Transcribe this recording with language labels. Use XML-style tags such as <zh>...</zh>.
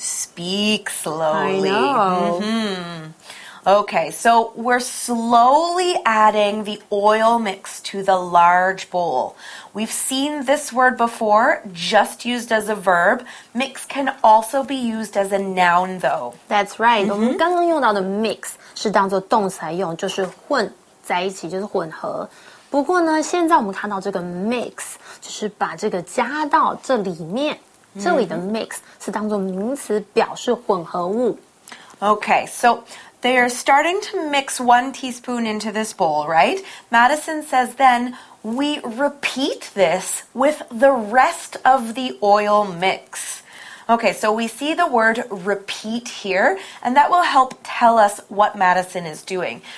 <en>Speak slowly. I know.、 Mm-hmm. Okay, so we're slowly adding the oil mix to the large bowl. We've seen this word before, just used as a verb. Mix can also be used as a noun, though. That's right.、Mm-hmm.</en> <zh>我们刚刚用到的 mix 是当作动词来用，就是混在一起，就是混合。不过呢，现在我们看到这个 mix 就是把这个加到这里面。这里的 mix 是当作名词，表示混合物。</zh> <en>Okay, so... They are starting to mix one teaspoon into this bowl, right? Madison says then, we repeat this with the rest of the oil mix. Okay, so we see the word repeat here, and that will help tell us what Madison is doing.</en>